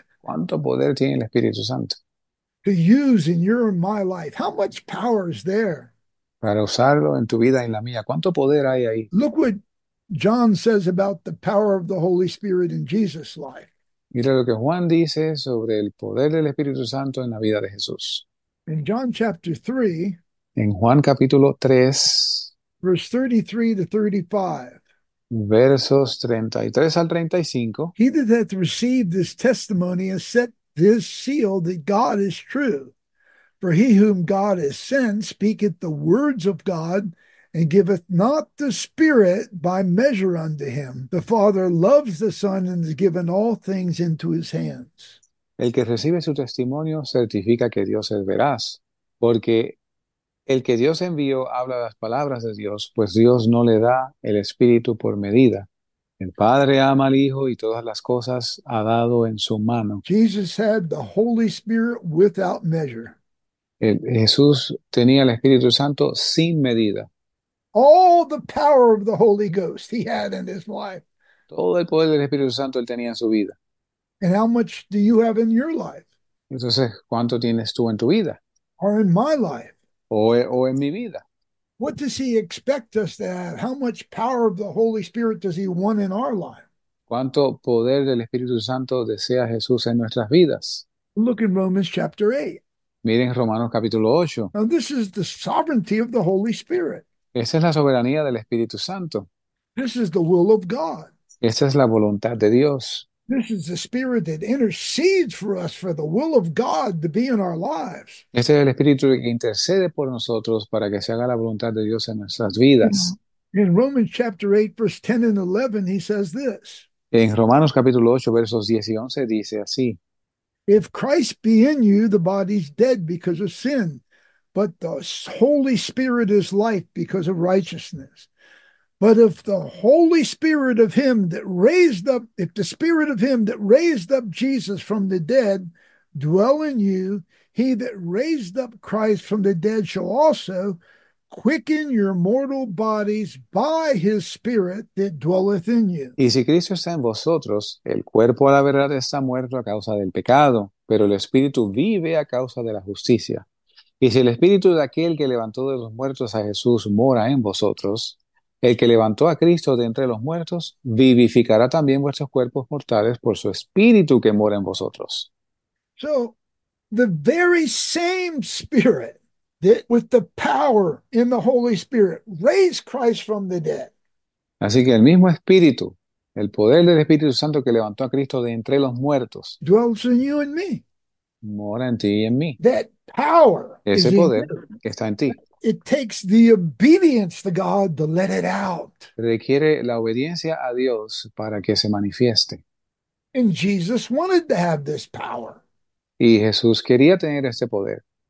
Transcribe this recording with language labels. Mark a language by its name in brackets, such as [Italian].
[Spanish] ¿Cuánto poder tiene el Espíritu Santo [English] To use in your and my life. How much power is there? [Spanish] para usarlo en tu vida y en la mía? ¿Cuánto poder hay ahí? [English] Look what John says about the power of the Holy Spirit in Jesus' life. [Spanish] Mira lo que Juan dice sobre el poder del Espíritu Santo en la vida de Jesús. [English] In John chapter 3, [Spanish] En Juan capítulo 3, [English] verse 33 to 35. [Spanish] versos 33 al 35. [English] He that hath received this testimony has set this seal that God is true. For he whom God has sent speaketh the words of God, and giveth not the Spirit by measure unto him. The Father loves the Son and has given all things into his hands. [Spanish] El que recibe su testimonio certifica que Dios es veraz, porque el que Dios envió habla las palabras de Dios, pues Dios no le da el Espíritu por medida. El Padre ama al Hijo y todas las cosas ha dado en su mano. [English] Jesus had the Holy Spirit without measure. [Spanish] Jesús tenía el Espíritu Santo sin medida. [English] All the power of the Holy Ghost he had in his life. [Spanish] Todo el poder del Espíritu Santo él tenía en su vida. [English] And how much do you have in your life? [Spanish] Entonces, ¿cuánto tienes tú en tu vida? [English] Or in my life? [Spanish] O en mi vida. [English] What does he expect us to have? How much power of the Holy Spirit does he want in our life? [Spanish] ¿Cuánto poder del Espíritu Santo desea Jesús en nuestras vidas? [English] Look in Romans chapter 8. [Spanish] Miren Romanos capítulo 8. [English] Now, this is the sovereignty of the Holy Spirit. [Spanish] Esa es la soberanía del Espíritu Santo. [English] This is the will of God. [Spanish] Esa es la voluntad de Dios. [English] This is the Spirit that intercedes for us for the will of God to be in our lives. [Spanish] Este es el Espíritu que intercede por nosotros para que se haga la voluntad de Dios en nuestras vidas. [English] In Romans chapter 8, verse 10 and 11, he says this. [Spanish] En Romanos capítulo 8, versos 10 y 11 dice así. [English] If Christ be in you, the body's dead because of sin, but the Holy Spirit is life because of righteousness. But if the Holy Spirit of him that raised up, if the Spirit of him that raised up Jesus from the dead dwell in you, he that raised up Christ from the dead shall also quicken your mortal bodies by his Spirit that dwelleth in you. [Spanish] Y si Cristo está en vosotros, el cuerpo a la verdad está muerto a causa del pecado, pero el Espíritu vive a causa de la justicia. Y si el Espíritu de aquel que levantó de los muertos a Jesús mora en vosotros, el que levantó a Cristo de entre los muertos vivificará también vuestros cuerpos mortales por su Espíritu que mora en vosotros. [English] So, the very same Spirit that with the power in the Holy Spirit raised Christ from the dead. [Spanish] Así que el mismo Espíritu, el poder del Espíritu Santo que levantó a Cristo de entre los muertos, [English] Dwells in you and me. [Spanish] mora en ti y en mí. [English] That power [Spanish] Ese [English] is in [Spanish] poder [English] you. [Spanish] está en ti. [English] It takes the obedience to God to let it out. [Spanish] Requiere la obediencia a Dios para que se manifieste. [English] And Jesus wanted to have this power. [Spanish] Y Jesús quería tener este poder.